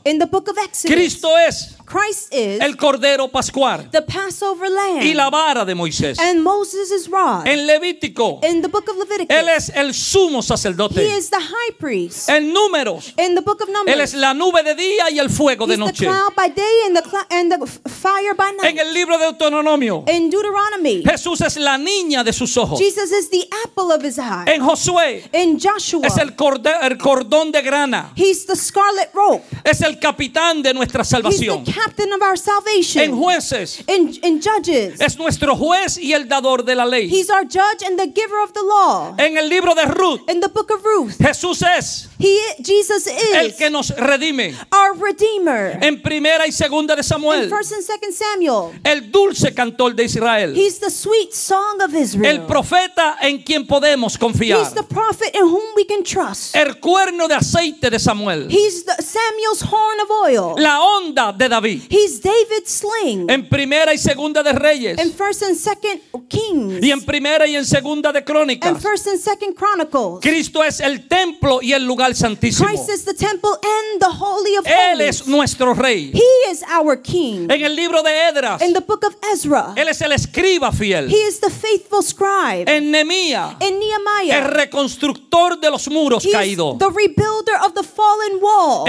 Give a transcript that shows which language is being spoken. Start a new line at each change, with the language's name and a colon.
English: In the book of Exodus.
Spanish: Cristo es.
English: Christ is
Spanish: el cordero pascual,
English: the Passover lamb,
Spanish: y la vara de Moisés,
English: and Moses's rod,
Spanish: en Levítico,
English: in the book of Leviticus,
Spanish: él es el sumo sacerdote,
English: he is the high priest,
Spanish: en Números,
English: in the book of Numbers,
Spanish: él es la nube de día y el fuego
English: he's
Spanish: de noche,
English: the cloud by day and the fire by night,
Spanish: en el libro de Deuteronomio,
English: in Deuteronomy,
Spanish: Jesús es la niña de sus ojos,
English: Jesus is the apple of his eye,
Spanish: en Josué,
English: in Joshua,
Spanish: es el cordón de grana,
English: he's the scarlet rope,
Spanish: es el capitán de nuestra salvación,
English: he's the captain of our salvation.
Spanish: En jueces.
English: In judges.
Spanish: Es nuestro juez y el dador de la ley.
English: He's our judge and the giver of the law.
Spanish: En el libro de Ruth.
English: In the book of Ruth.
Spanish: Jesús es.
English: Jesus is.
Spanish: El que nos redime.
English: Our redeemer.
Spanish: En primera y segunda de Samuel.
English: In first and second Samuel.
Spanish: El dulce cantor de Israel.
English: He's the sweet song of Israel.
Spanish: El profeta en quien podemos confiar.
English: He's the prophet in whom we can trust.
Spanish: El cuerno de aceite de Samuel.
English: He's the Samuel's horn of oil.
Spanish: La onda de David.
English: He's David's sling.
Spanish: En primera y segunda de Reyes.
English: In first and second Kings.
Spanish: Y en primera y en segunda de Crónicas.
English: And first and second Chronicles.
Spanish: Cristo es el templo y el lugar santísimo.
English: Christ is the temple and the holy of
Spanish: holies. Él es nuestro rey.
English: He is our king.
Spanish: En el libro de Esdras.
English: In the book of Ezra.
Spanish: Él es el escriba fiel.
English: He is the faithful scribe.
Spanish: En Nehemías.
English: In Nehemiah.
Spanish: El reconstructor de los muros caídos.
English: He is the rebuilder of the fallen wall.